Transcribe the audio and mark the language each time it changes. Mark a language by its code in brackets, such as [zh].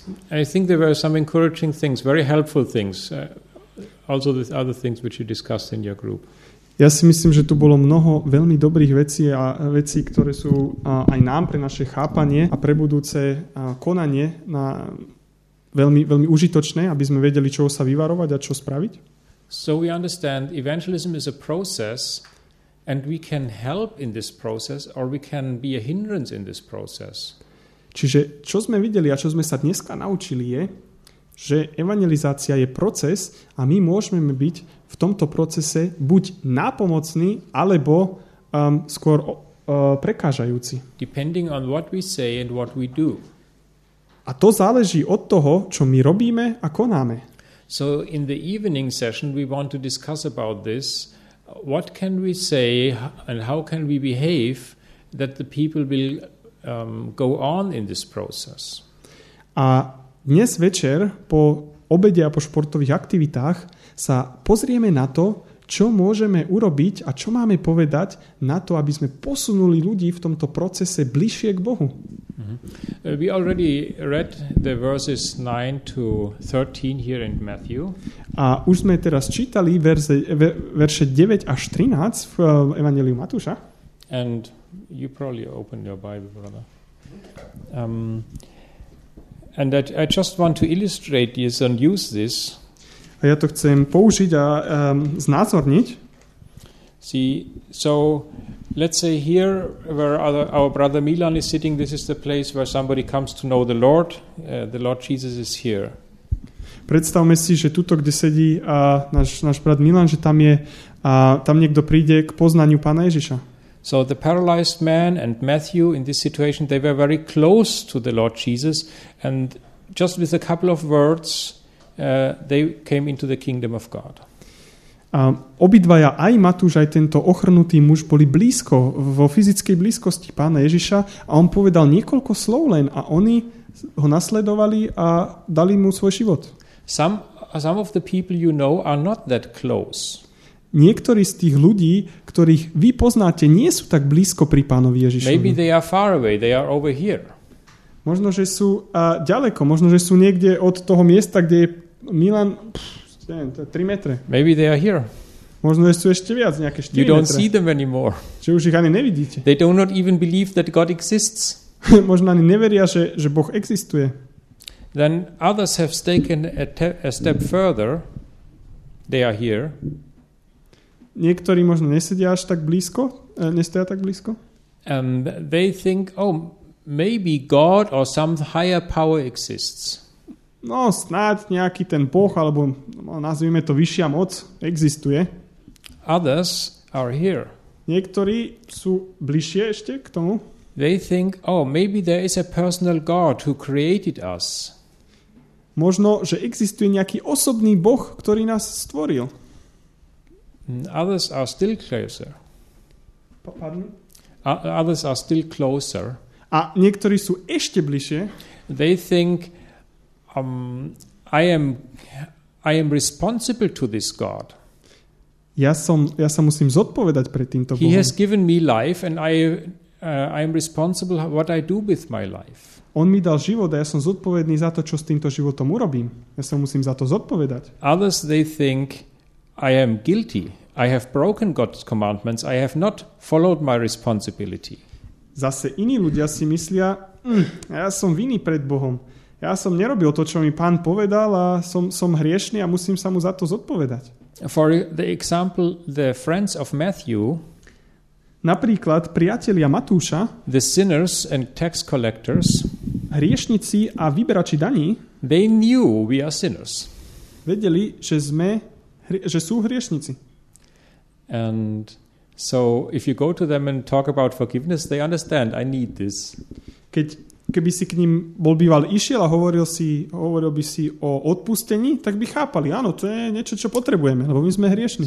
[en] I think there were some encouraging things, very helpful things. Also the other things which you discussed in your group. [sk] Ja si myslím, že tu bolo mnoho veľmi dobrých vecí a vecí, ktoré sú aj nám pre naše chápanie a pre budúce konanie na veľmi, veľmi užitočné, aby sme vedeli, čo sa vyvarovať a čo spraviť. [en] So we understand evangelism is a process and we can help in this process or we can be a hindrance in this process. [sk] Čiže čo sme videli a čo sme sa dneska naučili je, že evangelizácia je proces a my môžeme byť v tomto procese buď nápomocní alebo skôr prekážajúci. [en] Depending on what we say and what we do. [sk] A to záleží od toho, čo my robíme a konáme. [en] So in the evening session we want to discuss about this. What can we say and how can we behave that the people will go on in this process? [sk] A dnes večer po obede a po športových aktivitách sa pozrieme na to, čo môžeme urobiť a čo máme povedať na to, aby sme posunuli ľudí v tomto procese bližšie k Bohu. Mm-hmm. [en] We already read the verses 9 to 13 here in Matthew. [sk] A už sme teraz čítali verše 9 až 13 v Evanjeliu Matúša. [en] And you probably opened your Bible, brother. And I just want to illustrate this and use this. [sk] A ja to chcem použiť a znázorniť. [en] See, so let's say here where our brother Milan is sitting, this is the place where somebody comes to know the Lord Jesus is here. [sk] Predstavme si, že tuto, kde sedí náš brat Milan, že tam je tam niekto príde k poznaniu Pána Ježiša. [en] So the paralyzed man and Matthew in this situation, they were very close to the Lord Jesus and just with a couple of words they came into the kingdom of God. [sk] Obidvaja, aj Matúš, aj tento ochrnutý muž boli blízko, vo fyzickej blízkosti Pána Ježiša a on povedal niekoľko slov len a oni ho nasledovali a dali mu svoj život. [en] Some of the people you know are not that close. [sk] niektorí z tých ľudí, ktorých vy poznáte, nie sú tak blízko pri Pánovi Ježišovi. [en] Maybe they are far away, they are over here. [sk] Možno, že sú ďaleko, možno, že sú niekde od toho miesta, kde je Milan, neviem, to je 3 metre. [en] Maybe they are here. [sk] Možno, že sú ešte viac, nejaké 4 [en] metre. You don't see them anymore. [sk] Čiže už ich ani nevidíte. [en] They do not even believe that God exists. [sk] Možno ani neveria, že Boh existuje. [en] Then others have taken a step further. They are here. [sk] Niektorí možno nesedia až tak blízko, nestoja tak blízko. [en] And they think, oh, maybe God or some higher power exists. [sk] No, snáď nejaký ten Boh, alebo nazvime to vyššia moc, existuje. [en] Others are here. [sk] Niektorí sú bližšie ešte k tomu. [en] They think, oh, maybe there is a personal God who created us. [sk] Možno, že existuje nejaký osobný Boh, ktorý nás stvoril. [en] Others are still closer. Pardon? Others are still closer. [sk] A niektorí sú ešte bližšie. [en] They think, I am responsible to this God. [sk] Ja sa musím zodpovedať pred týmto Bohom. [en] He has given me life and I am responsible what I do with my life. [sk] On mi dal život a ja som zodpovedný za to, čo s týmto životom urobím. Ja sa musím za to zodpovedať. [en] Others, they think, I am guilty. I have broken God's commandments. I have not followed my responsibility. [sk] Zase iní ľudia si myslia, ja som vinný pred Bohom. Ja som nerobil to, čo mi Pán povedal a som hriešný a musím sa mu za to zodpovedať. [en] For the example, the friends of Matthew, [sk] napríklad priatelia Matúša, [en] the sinners and tax collectors, [sk] hriešnici a vyberači daní, [en] they knew we are sinners. [sk] Vedeli, že sú hriešnici. [en] And so if you go to them and talk about forgiveness, they understand, I need this. [sk] Keby si k ním išiel a hovoril by si o odpustení, tak by chápali, áno, to je niečo, čo potrebujeme, lebo my sme hriešni.